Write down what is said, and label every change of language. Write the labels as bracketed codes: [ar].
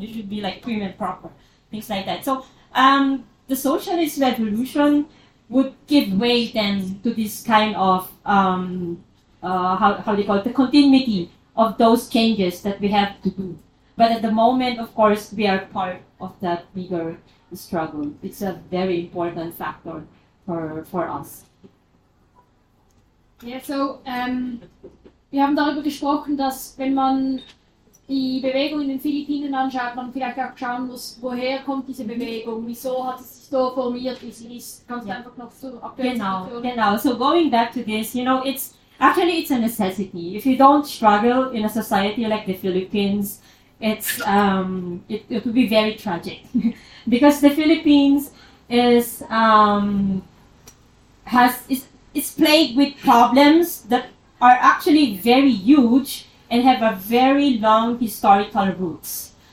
[en] You should be like prim and proper. Things like that. So the socialist revolution would give way then to this kind of, how do you call it, the continuity of those changes that we have to do. But at the moment, of course, we are part of that bigger struggle. It's a very important factor for us. [de] Yeah, so wir haben darüber gesprochen, dass wenn man die Bewegung in den Philippinen anschaut, man vielleicht auch schauen muss, woher kommt diese Bewegung, wieso hat es sich so formiert, wie sie ist. Kannst du einfach noch so aktuell sagen? Genau, [en] so going back to this, you know, it's actually it's a necessity. If you don't struggle in a society like the Philippines, it's it would be very tragic. Because the Philippines is plagued with problems that are actually very huge and have a very long historical roots.